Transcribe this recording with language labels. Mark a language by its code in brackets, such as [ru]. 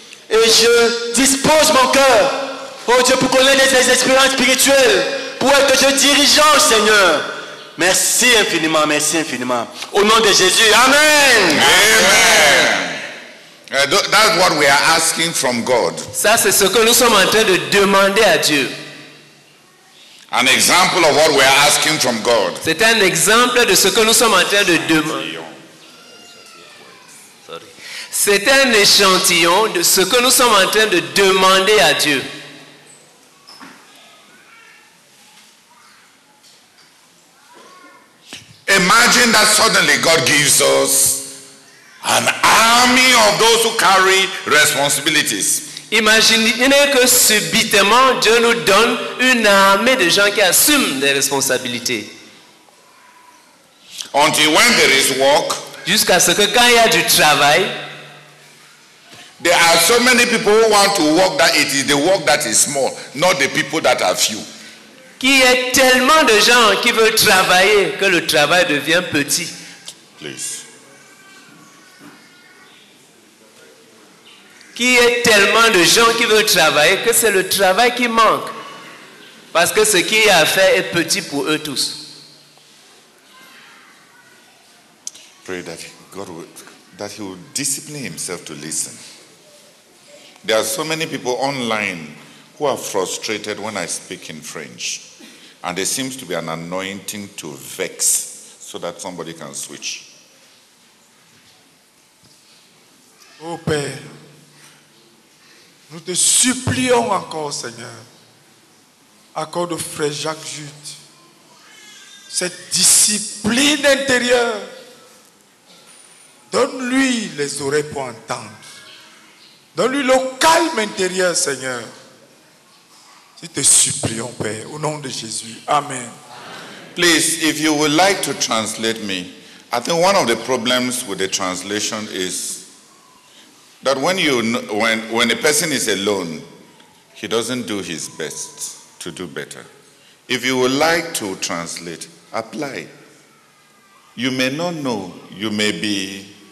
[fr] Et je dispose mon cœur, oh Dieu, pour connaître ces expériences spirituelles, pour être ce dirigeant, Seigneur. Merci infiniment, merci infiniment. Au nom de Jésus, amen. [en] Amen. That's what we are asking from God. [fr] Ça, c'est ce que nous sommes en train de demander à Dieu. An example of what we are asking from God. C'est un exemple de ce que nous sommes en train de demander. C'est un échantillon de ce que nous sommes en train de demander à Dieu. [en] Imagine that suddenly God gives us an army of those who carry responsibilities. [fr] Imaginez que subitement Dieu nous donne une armée de gens qui assument des responsabilités. [en] Until when there is work, [fr] jusqu'à ce que quand il y a du travail, [en] there are so many people who want to work that it is the work that is small, not the people that are few. [fr] Qui est tellement de gens qui veulent travailler que le travail devient petit. [en] Please. [fr] qu'il y ait tellement de gens qui veulent travailler que c'est le travail qui manque. Parce que ce qu'il y a à faire est petit pour eux tous. [en] Pray that God would, that he will discipline himself to listen. There are so many people online who are frustrated when I speak in French. And there seems to be an anointing to vex so that somebody can switch. [fr] Oh Père, nous te supplions encore, Seigneur, accorde au frère Jacques Jute cette discipline intérieure. Donne-lui les oreilles pour entendre. Donne-lui le calme intérieur, Seigneur. Nous te supplions, Père, au nom de Jésus. Amen. [en] Please, if you would like to translate me, I think one of the problems with the translation is that when a person is alone, he doesn't do his best to do better. If you would like to translate, apply. You may not know. You may be.